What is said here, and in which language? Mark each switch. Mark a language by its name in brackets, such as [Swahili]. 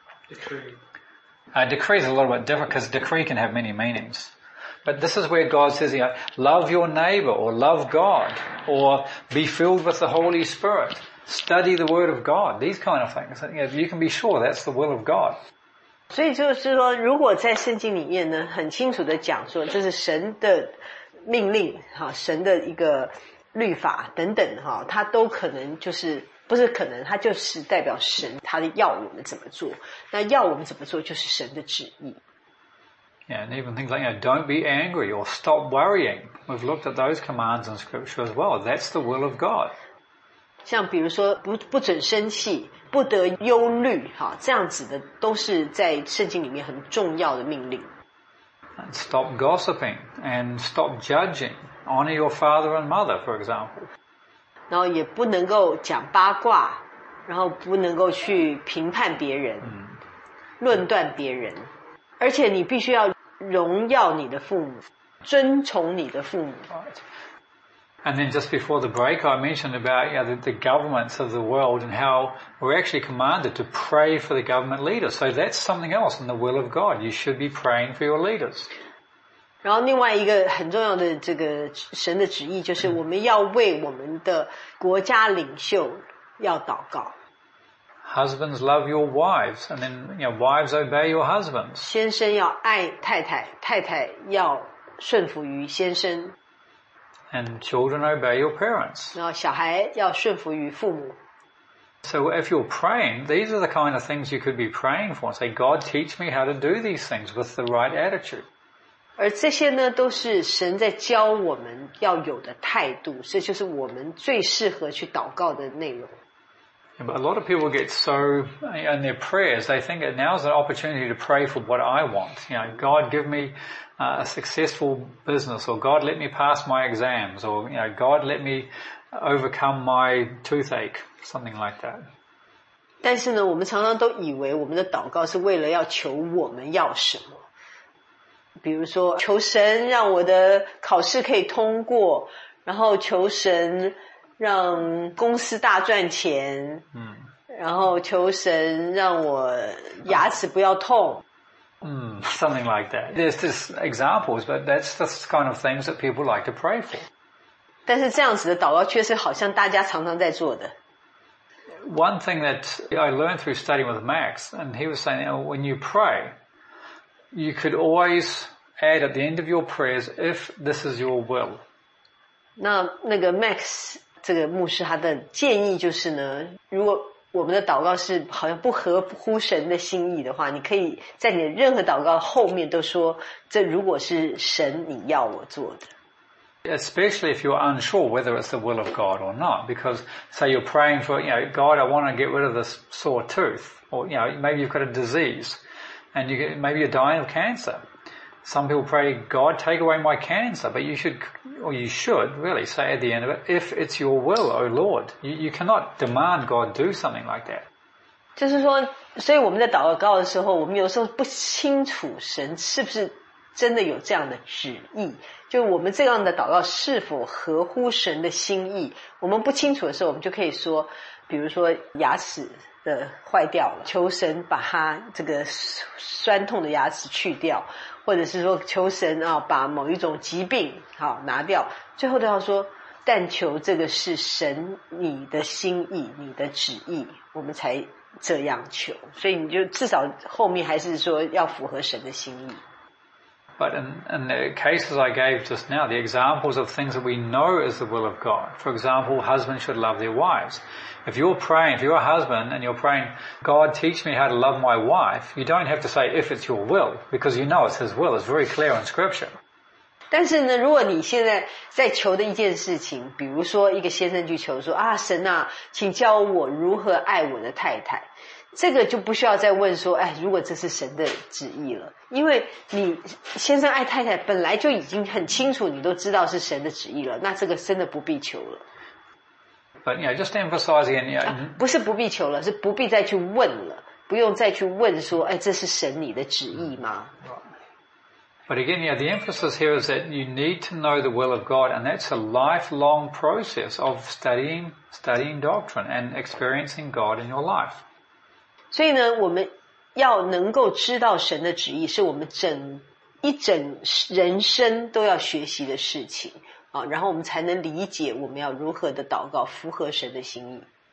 [English] Decree. Decree is a little bit different because decree can have many meanings. But this is where God says, you know, love your neighbor or love God or be filled with the Holy Spirit. Study the Word of God, these kind of things. You can be sure that's the will of God. [Chinese] 所以就是说，如果在圣经里面呢，很清楚的讲说，这是神的命令，神的一个律法等等，它都可能就是，不是可能，它就是代表神，它要我们怎么做。那要我们怎么做，就是神的旨意。 [English] Yeah, and even things like, you know, don't be angry or stop worrying. We've looked at those commands in Scripture as well. That's the will of God. [Chinese] 像比如说 不准生气，不得忧虑，这样子的都是在圣经里面很重要的命令。 [English] And stop gossiping and stop judging. Honor your father and mother, for example. [Chinese] 然后也不能够讲八卦，然后不能够去评判别人，论断别人。而且你必须要荣耀你的父母，尊崇你的父母。 [English] Right. And then just before the break, I mentioned about, you know, the governments of the world and how we're actually commanded to pray for the government leader. So that's something else in the will of God. You should be praying for your leaders. [Chinese] 然后另外一个很重要的这个神的旨意就是我们要为我们的国家领袖要祷告。 [English] Husbands love your wives, and then, you know, wives obey your husbands. [Chinese] 先生要爱太太，太太要顺服于先生。 [English] And children obey your parents. [Chinese] 然后小孩要顺服于父母。 [English] So if you're praying, these are the kind of things you could be praying for. Say, God, teach me how to do these things with the right attitude. [Chinese] 而这些呢都是神在教我们要有的态度，这就是我们最适合去祷告的内容。 [English] Yeah, but a lot of people get so in their prayers, they think that now's an opportunity to pray for what I want. You know, God give me a successful business, or God let me pass my exams, or you know, God let me overcome my toothache, something like that. [Chinese] 但是呢我们常常都以为我们的祷告是为了要求我们要什么。比如说求神让我的考试可以通过，然后求神让公司大赚钱，然后求神让我牙齿不要痛。 [English] Something like that. There's just examples, but that's the kind of things that people like to pray for. [Chinese] 但是这样子的祷告却是好像大家常常在做的。 [English] One thing that I learned through studying with Max, and he was saying, you know, when you pray,You could always add at the end of your prayers, if this is your will. [Chinese] 那个 Max 这个牧师他的建议就是呢，如果我们的祷告是好像不合乎神的心意的话，你可以在你的任何祷告后面都说，这如果是神你要我做的。 [English] Especially if you're unsure whether it's the will of God or not, because say you're praying for, you know, God, I want to get rid of this sore tooth, or you know, maybe you've got a disease. And you get, maybe you're dying of cancer. Some people pray, God, take away my cancer. But you should really say at the end of it, if it's your will, O Lord. You cannot demand God do something like that. [Chinese] 就是说，所以我们在祷告的时候，我们有时候不清楚神是不是真的有这样的旨意。就我们这样的祷告是否合乎神的心意，我们不清楚的时候，我们就可以说，比如说牙齿。的坏掉了，求神把他这个酸痛的牙齿去掉，或者是说求神啊把某一种疾病好拿掉，最后都要说，但求这个是神你的心意，你的旨意，我们才这样求。所以你就至少后面还是说要符合神的心意。 [English] But in the cases I gave just now, the examples of things that we know is the will of God. For example, husbands should love their wives. If you're praying, if you're a husband and you're praying, God, teach me how to love my wife, you don't have to say if it's your will, because you know it's His will. It's very clear in Scripture. [Chinese] 但是呢，如果你现在在求的一件事情，比如说一个先生去求说啊，神啊，请教我如何爱我的太太。这个就不需要再问说，哎，如果这是神的旨意了，因为你先生爱太太本来就已经很清楚，你都知道是神的旨意了，那这个真的不必求了。 [English] But yeah, just emphasizing, yeah, [Chinese] 不是不必求了，是不必再去问了，不用再去问说，哎，这是神你的旨意吗？ [English] But again, yeah, the emphasis here is that you need to know the will of God, and that's a lifelong process of studying doctrine and experiencing God in your life. [Chinese] 所以呢，我们要能够知道神的旨意，是我们整人生都要学习的事情啊。然后我们才能理解我们要如何的祷告，符合神的心意。